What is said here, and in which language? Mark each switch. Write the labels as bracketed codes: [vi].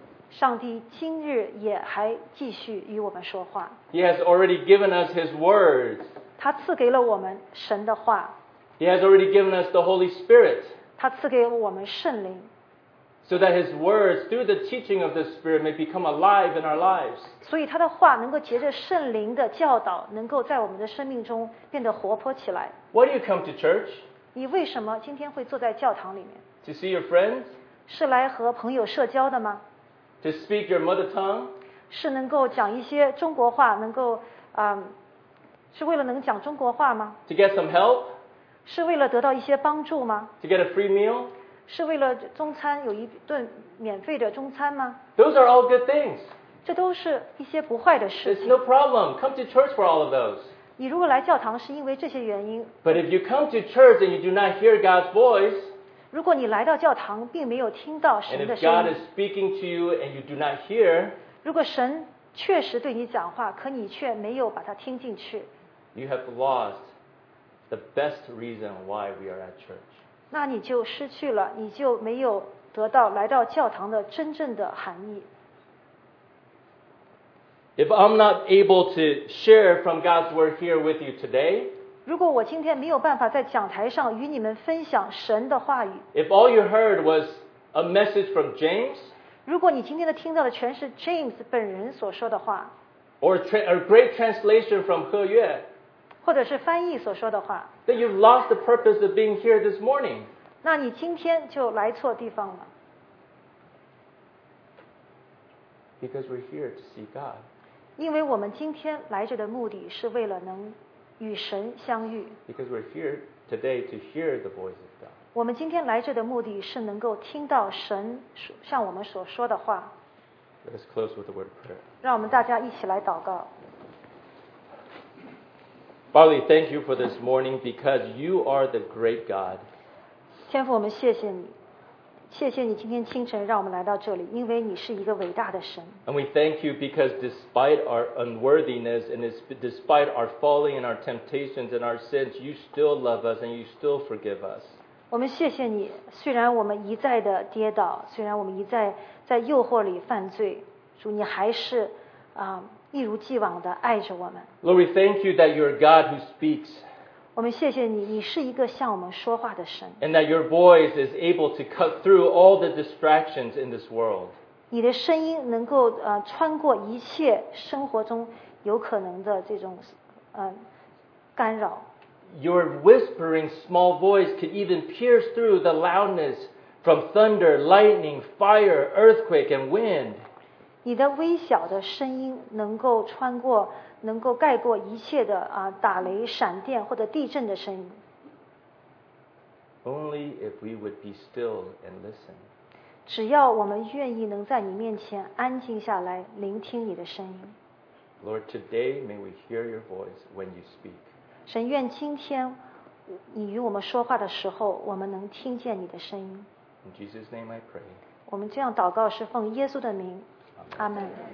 [zh] 上帝今日也还继续与我们说话。 [en] He has already given us His words. [zh] 他赐给了我们神的话。 [en] He has already given us the Holy Spirit. [zh] 他赐给了我们圣灵。 [en] So that His words, through the teaching of the Spirit, may become alive in our lives. [zh] 所以他的话能够藉着圣灵的教导，能够在我们的生命中变得活泼起来。 [en] Why do you come to church? [zh] 你为什么今天会坐在教堂里面？ [en] To see your friends? [zh] 是来和朋友社交的吗？ [en] To speak your mother tongue? [zh] 是能够讲一些中国话，能够是为了能讲中国话吗 [en] ？To get some help？ [zh] 是为了得到一些帮助吗 [en] ？To get a free meal？ [zh] 是为了中餐有一顿免费的中餐吗 [en] ？Those are all good things。 [zh] 这都是一些不坏的事情。 [en] It's no problem. Come to church for all of those。 [zh] 你如果来教堂是因为这些原因。 [en] But if you come to church and you do not hear God's voice， [zh] 如果你来到教堂并没有听到神的声音 [en] ，And if God is speaking to you and you do not hear， [zh] 如果神确实对你讲话，可你却没有把它听进去。 [en] You have lost the best reason why we are at church. [zh] 那你就失去了，你就没有得到来到教堂的真正的含义。 [en] If I'm not able to share from God's word here with you today, [zh] 如果我今天没有办法在讲台上与你们分享神的话语， [en] if all you heard was a message from James, [zh] 如果你今天听到的全是 James 本人所说的话， [en] or a great translation from He Yue, [zh] 或者是翻译所说的话， [en] then you've lost the purpose of being here this morning. [zh] 那你今天就来错地方了。 [en] Because we're here to see God. [zh] 因为我们今天来着的目的是为了能与神相遇。 [en] Because we're here today to hear the voice of God. [zh] 我们今天来着的目的是能够听到神向我们所说的话。 [en] Let's close with a word of prayer. [zh] 让我们大家一起来祷告。 [en] Father, thank you for this morning because you are the great God. [zh] 天父，我们谢谢你。谢谢你今天清晨让我们来到这里，因为你是一个伟大的神。 [en] And we thank you because despite our unworthiness and despite our falling and our temptations and our sins, you still love us and you still forgive us. [zh] 我们谢谢你，虽然我们一再的跌倒，虽然我们一再在诱惑里犯罪，主你还是一如既往的爱着我们。 [en] Lord, we thank you that you're a God who speaks. [zh] 我们谢谢你，你是一个向我们说话的神。 [en] And that your voice is able to cut through all the distractions in this world. [zh] 你的声音能够穿过一切生活中有可能的这种干扰。 [en] Your whispering small voice could even pierce through the loudness from thunder, lightning, fire, earthquake, and wind. [zh] 你的微小的声音能够穿过。能够盖过一切的打雷、闪电或者地震的声音。 [en] Only if we would be still and listen. [zh] 只要我们愿意能在你面前安静下来，聆听你的声音。 [en] Lord, today may we hear your voice when you speak. [zh] 神，愿今天你与我们说话的时候，我们能听见你的声音。 [en] In Jesus' name, I pray. [zh] 我们这样祷告是奉耶稣的名。阿门。